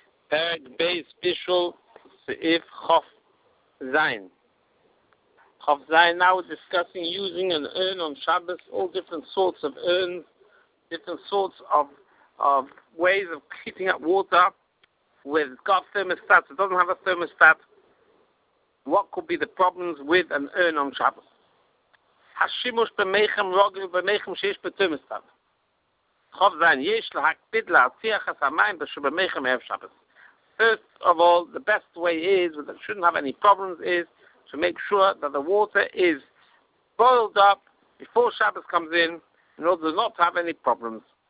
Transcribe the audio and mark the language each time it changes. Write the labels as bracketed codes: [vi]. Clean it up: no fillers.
[he] פרק בייס פישול סעיף חוף זין. [en] חוף זין, now we're discussing using an urn on Shabbos, all different sorts of urns, different sorts of ways of heating up water with, it's got thermostats, it doesn't have a thermostat. What could be the problems with an urn on Shabbos? [he] השימוש במחם רוגל ובמחם שיש בתרמוסטט. חוף זין, יש להקפיד להציח את המים שבמחם ערב שבת. [en] First of all, the best way is, that shouldn't have any problems, is to make sure that the water is boiled up before Shabbos comes in order not to have any problems.